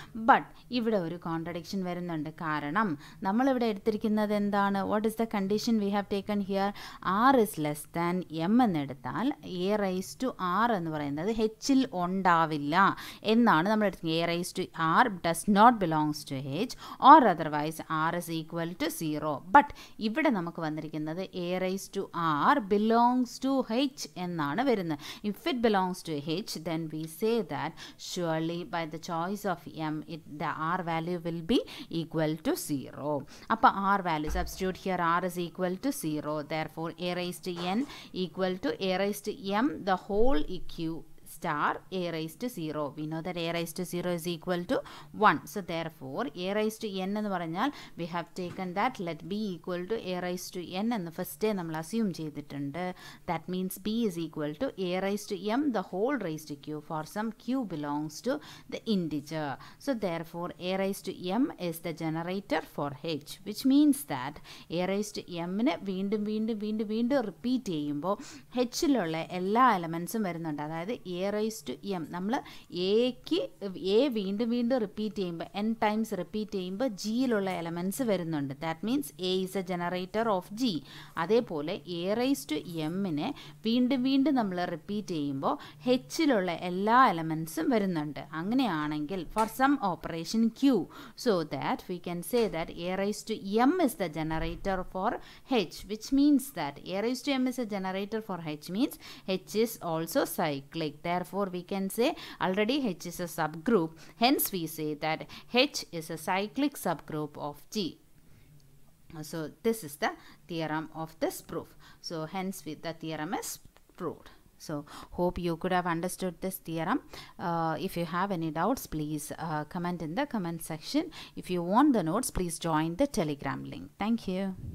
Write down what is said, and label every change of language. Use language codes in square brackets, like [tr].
[ml] But ഇവിടെ ഒരു contradiction വരുന്നുണ്ട്. കാരണം നമ്മളിവിടെ എടുത്തിരിക്കുന്നത് എന്താണ്? [en] What is the condition we have taken here? R is less than M [ml] എന്നെടുത്താൽ [en] a raise to R [ml] എന്ന് പറയുന്നത് എച്ചിൽ ഉണ്ടാവില്ല എന്നാണ് നമ്മൾ എടുത്തിരിക്കുന്നത്. [en] A raise to R does not belongs to H or otherwise R is equal to zero. [ml] But ഇവിടെ നമുക്ക് വന്നിരിക്കുന്നത് [en] a raised to r belongs to h [ml] എന്നാണ് വരുന്നത്. [en] If it belongs to h, then we say that surely by the choice of m, the r value will be equal to 0. [ml] അപ്പ [en] r value substitute here, r is equal to 0. Therefore a raised to n equal to a raised to m the whole eq star a raised to 0. We know that a raised to 0 is equal to 1. So therefore a raised to n [ml] എന്ന് പറഞ്ഞാൽ [en] we have taken that let b equal to a raised to n [ml] എന്ന് first നമ്മൾ assume ചെയ്തിട്ടുണ്ട്. [en] That means b is equal to a raised to m the whole raised to q for some q belongs to the integer. So therefore a raised to m is the generator for h, which means that a raised to m [ml] നെ വീണ്ടും വീണ്ടും വീണ്ടും വീണ്ടും repeat ചെയ്യുമ്പോൾ h ലുള്ള എല്ലാ എലമെന്റ്സും വരുന്നുണ്ട്. അതായത് എ റൈസ് ടു എം, നമ്മൾ എക്ക് എ വീണ്ടും വീണ്ടും റിപ്പീറ്റ് ചെയ്യുമ്പോൾ, എൻ ടൈംസ് റിപ്പീറ്റ് ചെയ്യുമ്പോൾ ജിയിലുള്ള എലമെൻറ്റ്സ് വരുന്നുണ്ട്. [en] That means a is a generator of G. [ml] അതേപോലെ എ റൈസ് ടു എമ്മിനെ വീണ്ടും വീണ്ടും നമ്മൾ റിപ്പീറ്റ് ചെയ്യുമ്പോൾ എച്ചിലുള്ള എല്ലാ എലമെൻറ്റ്സും വരുന്നുണ്ട്. അങ്ങനെയാണെങ്കിൽ [en] For some operation Q, so that we can say that a raise to M is the generator for H, which means that a raise to M is a generator for H means H is also cyclic. therefore we can say already H is a subgroup. Hence we say that H is a cyclic subgroup of G. So this is the theorem of this proof. So hence the theorem is proved. So hope you could have understood this theorem. If you have any doubts, please comment in the comment section. If you want the notes, please join the Telegram link. Thank you.